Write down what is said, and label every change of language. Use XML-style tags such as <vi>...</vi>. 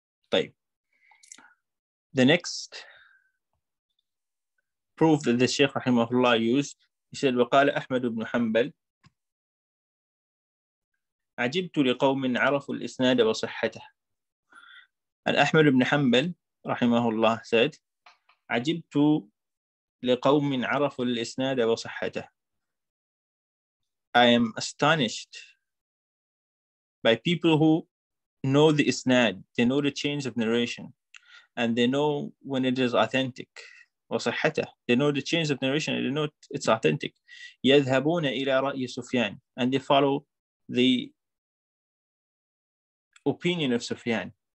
<ar>طيب.</ar> <en>The next proof that the Shaykh Rahimahullah used, he said,</en> <ar>وقال أحمد بن حنبل عجبت لقوم عرفوا الإسناد وصحته.</ar> <en>And</en> <ar>أحمد بن حنبل</ar> <en>Rahimahullah said,</en> <ar>عجبت لقوم عرفوا الإسناد وصحته.</ar> <en>I am astonished by people who know the isnad, they know the chains of narration, and they know when it is authentic.</en> <ar>وصحته.</ar> <en>They know the chains of narration, and they know it's authentic.</en> <ar>يذهبون إلى رأي سفيان,</ar> <en>and they follow the opinion of Sufyan.</en>